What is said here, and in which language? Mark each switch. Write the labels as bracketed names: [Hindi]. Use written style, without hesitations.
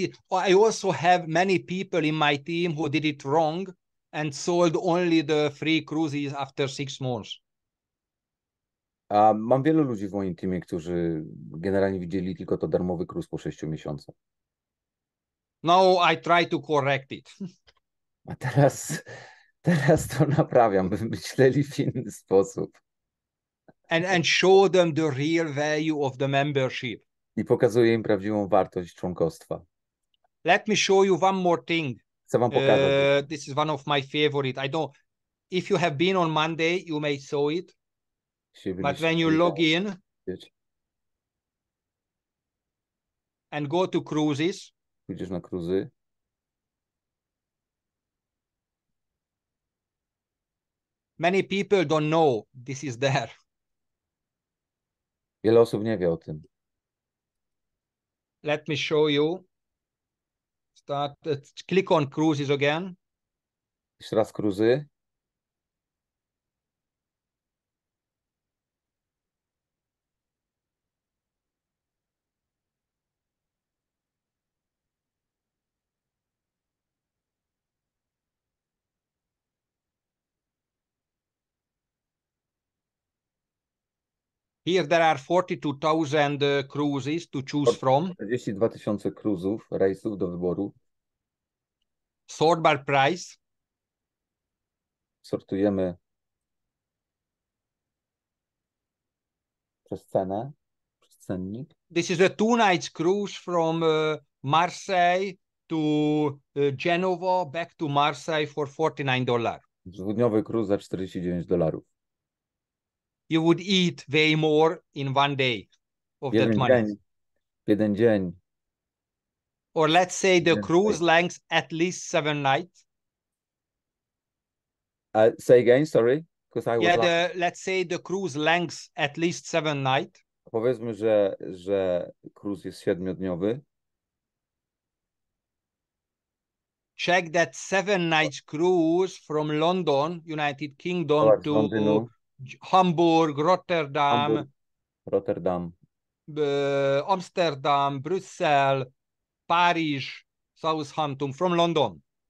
[English] I also have many people in my team who did it wrong and sold only the free cruises after 6 months. [Polish] Mam wielu ludzi w moim teamie, którzy generalnie widzieli tylko to darmowy cruise po 6 miesiącach. [English] Now I try to correct it. [Polish] A teraz to naprawiam, by myśleli w inny sposób. [English] And show them the real value of the membership. [Polish] I pokazuje im prawdziwą wartość członkostwa. [English] Let me show you one more thing. [Polish] Chcę wam pokazać. [English] This is one of my favorite. I don't. If you have been on Monday, you may saw it. But when you log in and go to cruises. [Polish] Pójdziesz na cruzy. [English] Many people don't know this is there. [Polish] Wiele osób nie wie o tym. [English] Let me show you. Click on cruises again. [Polish] Jeszcze raz cruzy. [English] Here there are 42,000 cruises to choose from. [Polish] 42,000 cruzów, rejsów do wyboru. [English] Sort by price. [Polish] Sortujemy przez cenę, przez cennik. [English] This is a 2 night cruise from Marseille to Genova back to Marseille for $49. [Polish] Dwudniowy cruise za $49. [English] You would eat way more in one day of [Polish] jeden [English] that money. [Polish] Dzień. Jeden dzień. [English] Or let's say the cruise length at least 7 nights. Say again, sorry. Because I yeah, was the, let's say the cruise length at least 7 nights. [Polish] Powiedzmy, że cruise jest 7-dniowy. [English] Check that 7 nights cruise from London, United Kingdom to [Polish] Londynu. [English] Hamburg, Rotterdam, Hamburg, Rotterdam, Amsterdam, Brussels, Paris, Southampton from London.